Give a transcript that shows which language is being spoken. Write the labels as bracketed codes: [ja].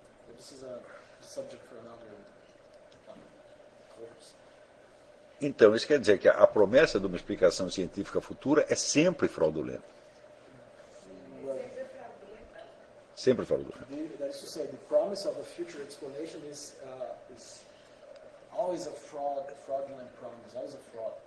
[en] But this is a subject for another course. [pt] Então, isso quer dizer que a promessa de uma explicação científica futura é sempre fraudulenta. Sempre falo do Kant. [en] That is to say, the promise of a future explanation is always a fraud, a fraudulent promise, always a fraud.